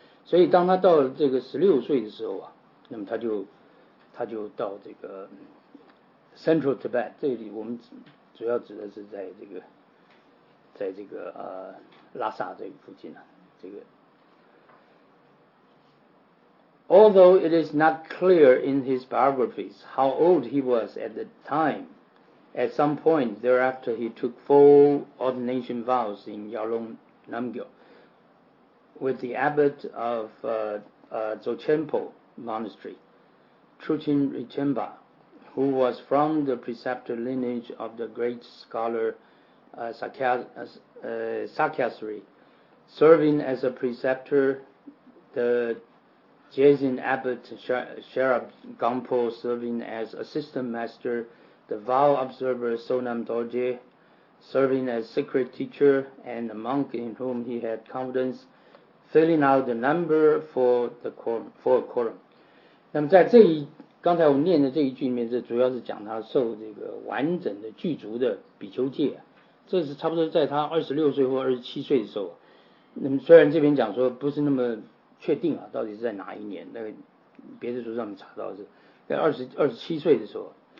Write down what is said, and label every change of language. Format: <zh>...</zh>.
<zh>所以当他到了这个十六岁的时候啊，那么他就到这个 Central Tibet， 这里我们主要指的是在这个在这个拉萨这个附近呢、啊，这个。</zh> <en>Although it is not clear in his biographies how old he was at the time, at some point thereafter he took full ordination vows in Yalong Namgyal with the abbot of Dzogchenpo Monastery, Chuchin Rinchenpa, who was from the preceptor lineage of the great scholar Sakyasri, serving as a preceptor the Jaisin Abbot Sherab Gampo, serving as assistant master, the vow observer Sonam Dorje, serving as secret teacher, and a monk in whom he had confidence, filling out the number for a quorum.</en> <zh>那么在这一刚才我们念的这一句里面，这主要是讲他受这个完整的具足的比丘戒，这是差不多在他26岁或27岁的时候。那么虽然这边讲说不是那么确定啊，到底是在哪一年？那个别的书上面查到是在27岁的时候。</zh>